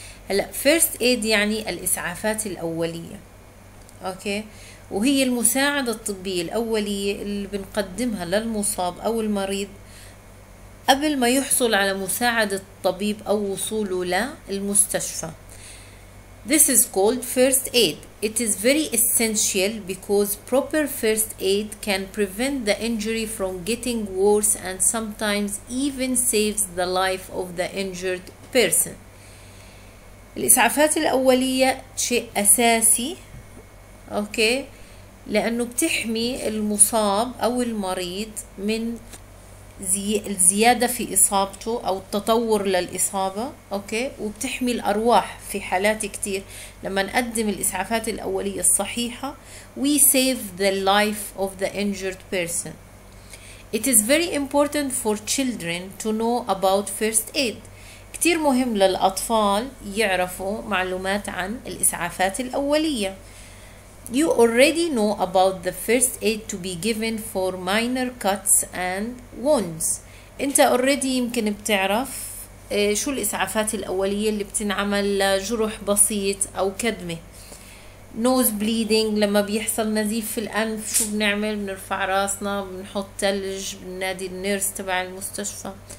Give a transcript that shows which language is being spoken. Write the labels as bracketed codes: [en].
[ar] هلأ first aid يعني الإسعافات الأولية، أوكي، وهي المساعدة الطبية الأولية اللي بنقدمها للمصاب أو المريض قبل ما يحصل على مساعدة الطبيب أو وصوله للمستشفى. [en] This is called first aid. It is very essential because proper first aid can prevent the injury from getting worse and sometimes even saves the life of the injured person. [ar] الإسعافات الأولية شيء أساسي، أوكي، لأنه بتحمي المصاب أو المريض من الزيادة في إصابته أو التطور للإصابة، أوكي، وبتحمي الأرواح في حالات كتير لما نقدم الإسعافات الأولية الصحيحة. [en] We save the life of the injured person. It is very important for children to know about first aid. [ar] كتير مهم للأطفال يعرفوا معلومات عن الإسعافات الأولية. [en] You already know about the first aid to be given for minor cuts and wounds. [ar] أنت already يمكن بتعرف شو الإسعافات الأولية اللي بتنعمل لجرح بسيط أو كدمة. Nose bleeding لما بيحصل نزيف في الأنف شو بنعمل؟ بنرفع راسنا، بنحط ثلج، بننادي النيرس تبع المستشفى.